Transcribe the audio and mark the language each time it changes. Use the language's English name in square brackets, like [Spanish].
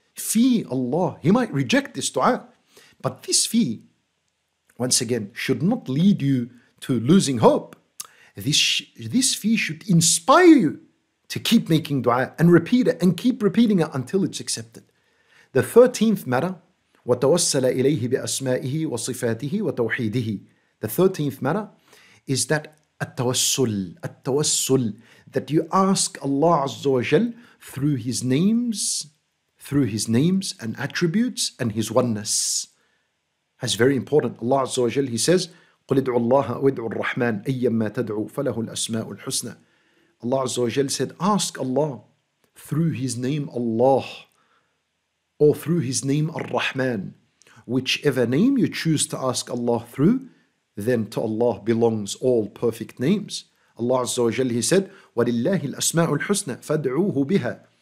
[English] Fear Allah, he might reject this dua. But this fear, once again, should not lead you to losing hope. This fee should inspire you to keep making dua and repeat it and keep repeating it until it's accepted. The 13th matter, [Arabic] وَتَوَسَّلَ إِلَيْهِ بِأَسْمَائِهِ وَصِفَاتِهِ وَتَوْحِيدِهِ. [English] The 13th matter is that التوسل, that you ask Allah Azza wa Jal through his names, through his names and attributes and his oneness. That's very important. [Arabic] Allah Azza wa Jal, [English] he says, [Arabic] قُلْ ادْعُوا اللَّهَ وَادْعُوا الرَّحْمَنَ أَيَّمَّا تَدْعُوا فَلَهُ الْأَسْمَاءُ الْحُسْنَى. [English] Allah Azza wa Jal said, ask Allah through his name Allah, or through his name Ar-Rahman. Whichever name you choose to ask Allah through, then to Allah belongs all perfect names. [Arabic] Allah Azza wa Jal, [English] he said, [Arabic] وَلِلَّهِ الْأَسْمَاءُ الْحُسْنَى فَادْعُوهُ بِهَا.